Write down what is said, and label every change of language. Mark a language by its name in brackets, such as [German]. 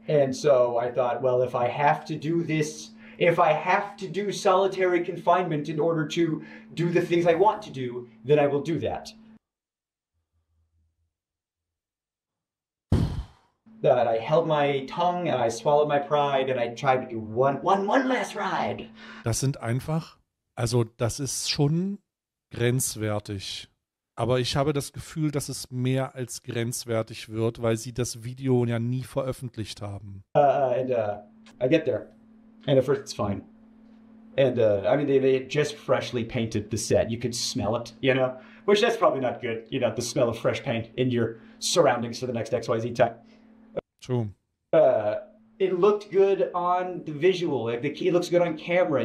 [English] And so I thought, well, if I have to do this, if I have to do solitary confinement in order to do the things I want to do, then I will do that. That I held my tongue and I swallowed my pride and I tried one last ride. [German] Das sind einfach, also das ist schon grenzwertig. Aber ich habe das Gefühl, dass es mehr als grenzwertig wird, weil sie das Video ja nie veröffentlicht haben. [English] I get there. And at first it's fine. And I mean, they just freshly painted the set. You could smell it, you know? Which that's probably not good, you know, the smell of fresh paint in your surroundings for the next XYZ time. True. It looked good on the visual. Like the key looks good on camera.